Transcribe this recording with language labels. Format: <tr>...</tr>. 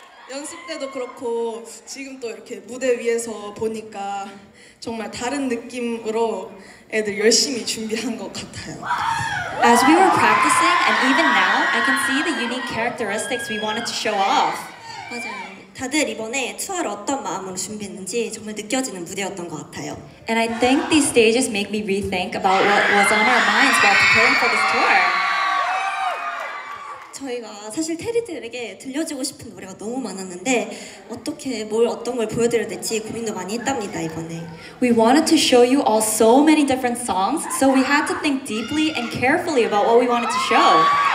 <ko>연습 때도 그렇고 지금 또 이렇게 무대 위에서 보니까 정말 다른 느낌으로 애들 열심히 준비한 것 같아요.</ko> <en>As we were practicing and even now, I can see the unique characteristics we wanted to show off.</en> <ko>다들 이번에 투어를 어떤 마음으로 준비했는지 정말 느껴지는 무대였던 것 같아요.</ko> <en>And I think these stages make me rethink about what was on our minds while preparing for this tour.</en> <ko>저희가 사실 테리들에게 들려주고 싶은 노래가 너무 많았는데 어떻게 뭘 어떤 걸 보여드려야 될지 고민도 많이 했답니다, 이번에.</ko> <en>We wanted to show you all so many different songs, so we had to think deeply and carefully about what we wanted to show.</en>